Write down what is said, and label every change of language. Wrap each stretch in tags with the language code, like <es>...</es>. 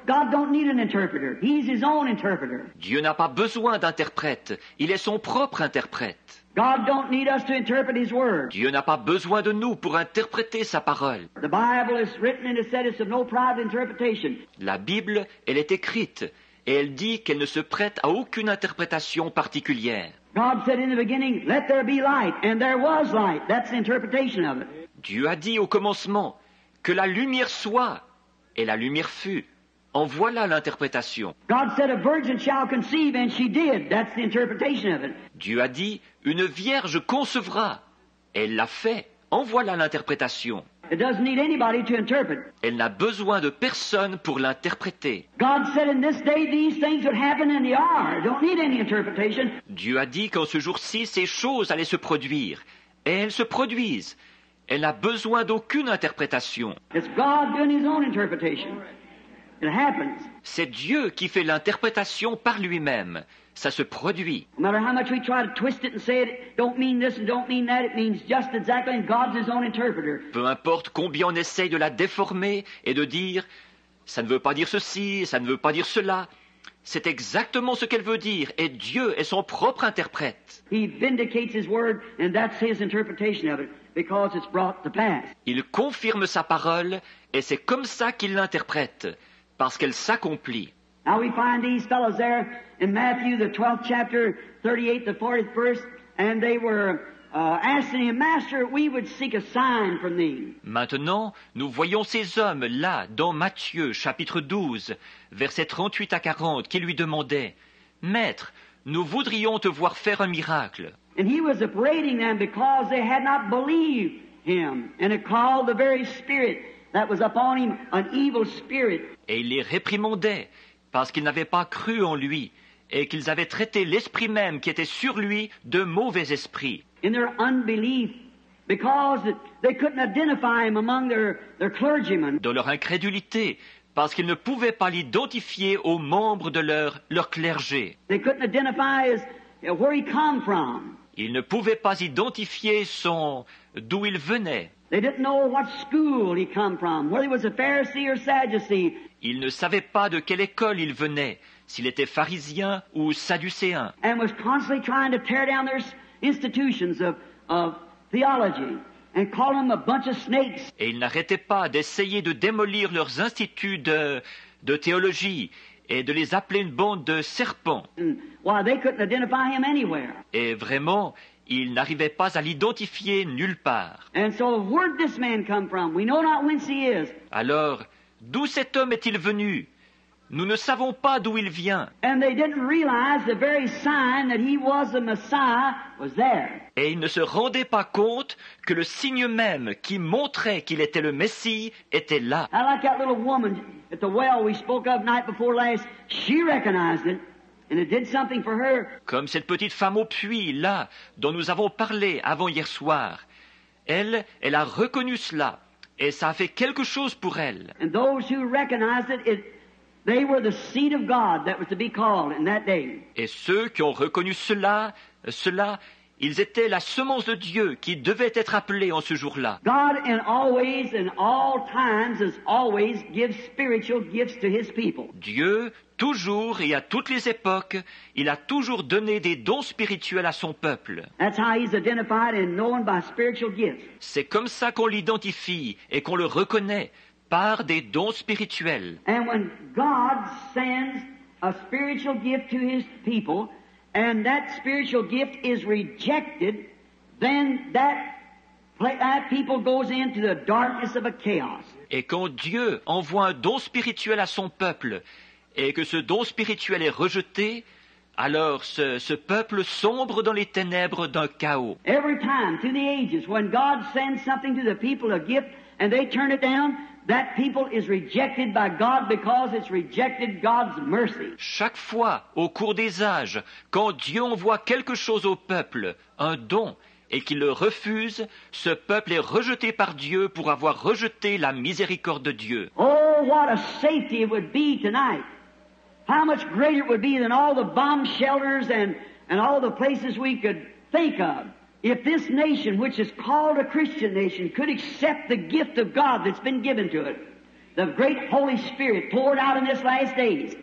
<en>God don't need an interpreter. He's his own interpreter.</en> <fr>Dieu n'a pas besoin d'interprète. Il est son propre interprète.</fr> <en>God don't need us to interpret his word.</en> <fr>Dieu n'a pas besoin de nous pour interpréter sa parole.</fr> <en>The Bible is written and it said it's of no private interpretation.</en> <fr>La Bible, elle est écrite, et elle dit qu'elle ne se prête à aucune interprétation particulière.</fr> <en>God said in the beginning, let there be light, and there was light. That's the interpretation of it.</en> <fr>Dieu a dit au commencement, que la lumière soit, et la lumière fut. En voilà l'interprétation.</fr> <en>God said, a virgin shall conceive, and she did. That's the interpretation of it.</en> <fr>Dieu a dit, une vierge concevra. Elle l'a fait. En voilà l'interprétation.</fr> <en>It doesn't need anybody to interpret.</en> <fr>Elle n'a besoin de personne pour l'interpréter.</fr> <en>God said, in this day these things would happen, and they are. Don't need any interpretation.</en> <fr>Dieu a dit qu'en ce jour-ci, ces choses allaient se produire. Et elles se produisent. Elle n'a besoin d'aucune interprétation.</fr> <en>It's God doing his own interpretation. It happens.</en> <fr>C'est Dieu qui fait l'interprétation par lui-même. Ça se produit.</fr> <en>No matter how much we try to twist it and say it don't mean this and don't mean that, it means just exactly and God's his own interpreter.</en> <fr>Peu importe combien on essaye de la déformer et de dire ça ne veut pas dire ceci, ça ne veut pas dire cela. C'est exactement ce qu'elle veut dire, et Dieu est son propre interprète.</fr> <en>He vindicates his word and that's his interpretation of it. Because it's brought to pass.</en> <fr>Il confirme sa parole, et c'est comme ça qu'il l'interprète, parce qu'elle s'accomplit.</fr> <en>Now we find these fellows there in Matthew, the 12th chapter, 38 to 40th verse, and they were asking him, Master, we would seek a sign from thee.</en> <fr>Maintenant, nous voyons ces hommes là, dans Matthieu, chapitre 12, versets 38 à 40, qui lui demandaient, Maître, nous voudrions te voir faire un miracle.</fr> <en>And he was upbraiding them because they had not believed him, and it called the very spirit that was upon him an evil spirit.</en> <fr>Et il les réprimandait parce qu'ils n'avaient pas cru en lui et qu'ils avaient traité l'esprit même qui était sur lui de mauvais esprit.</fr> <en>In their unbelief, because they couldn't identify him among their clergymen.</en> <fr>De leur incrédulité, parce qu'ils ne pouvaient pas l'identifier aux membres de leur clergé.</fr> <en>They couldn't identify where he come from.</en> <fr>Ils ne pouvaient pas identifier son d'où il venait.</fr> <en>They didn't know what school he come from, whether he was a Pharisee or Sadducee.</en> <fr>Ils ne savaient pas de quelle école il venait, s'il était pharisien ou sadducéen.</fr> <en>And was constantly trying to tear down their institutions of theology and call them a bunch of snakes.</en> <fr>Et ils n'arrêtaient pas d'essayer de démolir leurs instituts de théologie et de les appeler une bande de serpents.</fr> <en>Why, they couldn't identify him anywhere.</en> <fr>Et vraiment, ils n'arrivaient pas à l'identifier nulle part.</fr> <en>And so where did this man come from? We know not whence he is.</en> <fr>Alors, d'où cet homme est-il venu? Nous ne savons pas d'où il vient.</fr> <en>And they didn't realize the very sign that he was the Messiah was there.</en> <fr>Et ils ne se rendaient pas compte que le signe même qui montrait qu'il était le Messie était là.</fr> <en>I like that little woman at the well we spoke of night before last. She recognized it, and it did something for her.</en> <fr>Comme cette petite femme au puits là dont nous avons parlé avant hier soir. Elle a reconnu cela et ça a fait quelque chose pour elle.</fr> <en>And those who recognized it, they were the seed of God that was to be called in that day.</en> <fr>Et ceux qui ont reconnu cela, ils étaient la semence de Dieu qui devait être appelée en ce jour-là.</fr> <en>God in always and all times has always gives spiritual gifts to his people.</en> <fr>Dieu toujours et à toutes les époques, il a toujours donné des dons spirituels à son peuple.</fr> <en>That's how he's identified and known by spiritual gifts.</en> <fr>C'est comme ça qu'on l'identifie et qu'on le reconnaît. Par des dons spirituels.</fr> <en>And when God sends a spiritual gift to his people, and that spiritual gift is rejected, then that people goes into the darkness of a chaos.</en> <fr>Et quand Dieu envoie un don spirituel à son peuple, et que ce don spirituel est rejeté, alors ce peuple sombre dans les ténèbres d'un chaos.</fr> <en>Every time, through the ages, when God sends something to the people, a gift, and they turn it down, that people is rejected by God because it's rejected God's mercy.</en> <fr>Chaque fois, au cours des âges, quand Dieu envoie quelque chose au peuple, un don, et qu'il le refuse, ce peuple est rejeté par Dieu pour avoir rejeté la miséricorde de Dieu.</fr> <en>Oh, what a safety it would be tonight! How much greater it would be than all the bomb shelters and all the places we could think of. If this nation, which is called a Christian nation, could accept the gift of God that's been given to it, the great Holy Spirit poured out in this last days.</en>